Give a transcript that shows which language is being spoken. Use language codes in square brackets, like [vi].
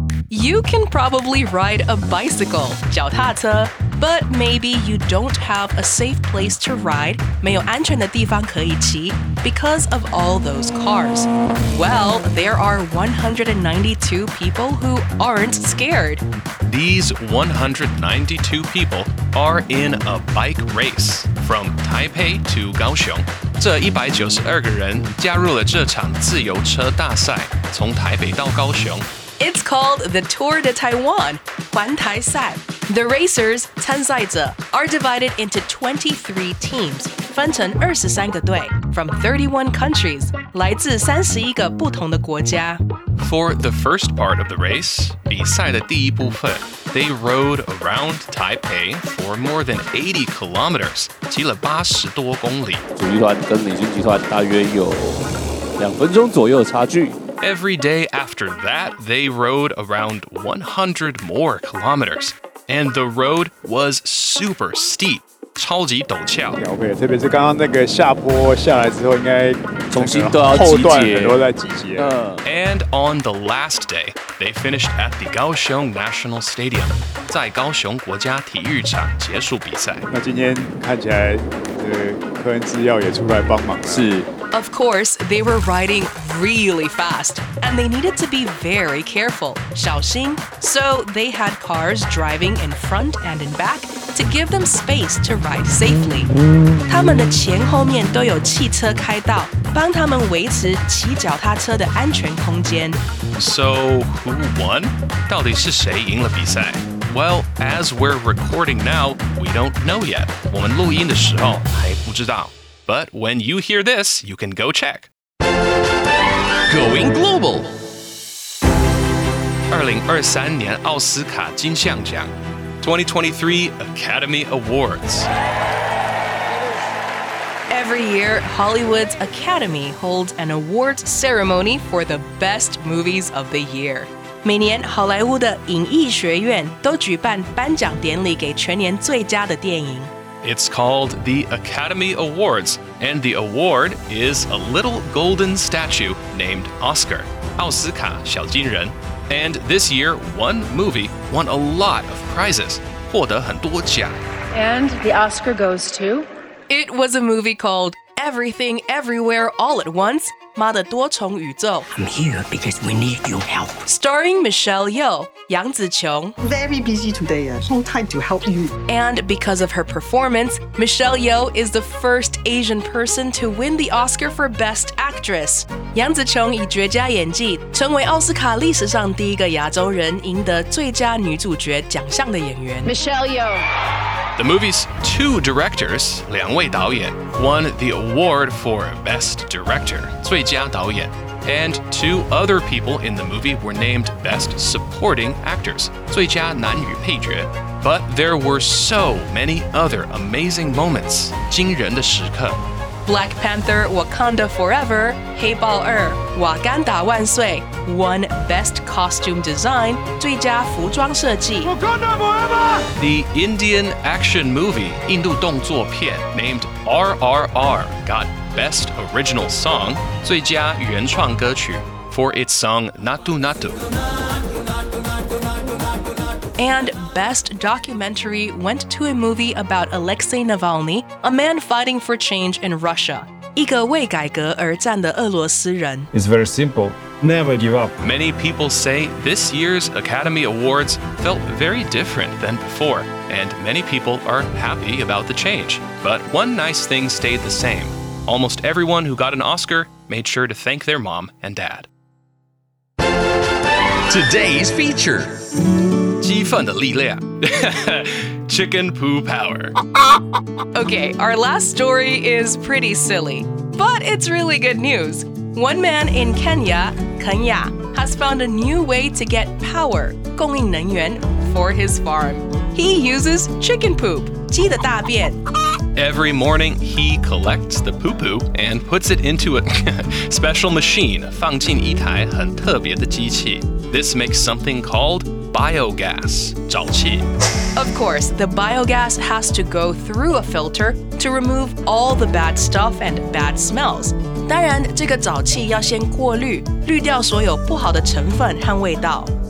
[en] You can probably ride a bicycle, [zh] 脚踏车, [en] but maybe you don't have a safe place to ride, [zh] 没有安全的地方可以骑, [en] because of all those cars. Well, there are 192 people who aren't scared. These 192 people are in a bike race from Taipei to Kaohsiung. [zh] 这192个人加入了这场自由车大赛,从台北到高雄。 [en] It's called the Tour de Taiwan, [zh] 环台赛。 [en] The racers, [zh] 参赛者, [en] are divided into 23 teams, [zh] 分成二十三个队, [en] from 31 countries, [zh] 来自三十一个不同的国家。 [en] For the first part of the race, [zh] 比赛的第一部分, [en] they rode around Taipei for more than 80 kilometers, [zh] 骑了八十多公里。主集团跟领军集团大约有两分钟左右的差距。 [en] Every day after that, they rode around 100 more kilometers, and the road was super steep, [zh] 超级陡峭。 OK， 特别是刚刚那个下坡下来之后，应该重新都要集结，后段很多在集结。 [en] And on the last day, they finished at the Kaohsiung National Stadium, [zh] 在高雄国家体育场结束比赛。那今天看起来，科恩制药也出来帮忙了。是。 [en] Of course, they were riding really fast, and they needed to be very careful, [zh] 小心. [en] So they had cars driving in front and in back to give them space to ride safely. [zh] 他们的前后面都有汽车开道，帮他们维持骑脚踏车的安全空间. [en] So who won? [zh] 到底是谁赢了比赛？ [en] Well, as we're recording now, we don't know yet. [zh] 我们录音的时候还不知道。 [en] But when you hear this, you can go check. Going global. [zh] 2023年奥斯卡金像奖 , [en] 2023 Academy Awards. Every year, Hollywood's Academy holds an awards ceremony for the best movies of the year. [zh] 每年好莱坞的影艺学院都举办颁奖典礼给全年最佳的电影。 [en] It's called the Academy Awards, and the award is a little golden statue named Oscar, [zh] 奥斯卡小金人。 [en] And this year, one movie won a lot of prizes, [zh] 获得很多奖。 [en] And the Oscar goes to? It was a movie called Everything, Everywhere, All at Once, [zh] 妈的多重宇宙 [en] I'm here because we need your help. Starring Michelle Yeoh, 杨紫瓊 Very busy today, no time to help you. And because of her performance, Michelle Yeoh is the first Asian person to win the Oscar for Best Actress. [zh] 杨紫瓊以绝佳演技成为奥斯卡历史上第一个亚洲人赢得最佳女主角奖项的演员 [en] Michelle Yeoh. The movie's two directors, [zh] 两位导演 [en] won the award for Best Director. [zh] 最佳导演 [en] and two other people in the movie were named Best Supporting Actors, [zh] 最佳男女配角 [en] But there were so many other amazing moments, [zh] 惊人的时刻 [en] Black Panther Wakanda Forever, 黑豹二 Wakanda 万岁 won Best Costume Design, [zh] 最佳服装设计 [en] Wakanda Forever! The Indian action movie, [zh] 印度动作片 [en] named RRR, got Best Original Song, [zh] 最佳原创歌曲 [en] for its song Naatu Naatu. And Best Documentary went to a movie about Alexei Navalny, a man fighting for change in Russia. [zh] 一个为改革而战的俄罗斯人 [en] It's very simple. Never give up. Many people say this year's Academy Awards felt very different than before, and many people are happy about the change. But one nice thing stayed the same. Almost everyone who got an Oscar made sure to thank their mom and dad. Today's feature. [zh] 激愤的力量 [en] Chicken Poo Power. Okay, our last story is pretty silly, but it's really good news. One man in Kenya, has found a new way to get power, [zh] 供应能源, [en] for his farm. He uses chicken poop, [zh] 鸡的大便。 [en] Every morning, he collects the poo-poo and puts it into a special machine, [zh] 放进一台很特别的机器。 [en] This makes something called biogas, [zh] 沼气。 [en] Of course, the biogas has to go through a filter to remove all the bad stuff and bad smells. [zh] 当然，这个沼气要先过滤，滤掉所有不好的成分和味道。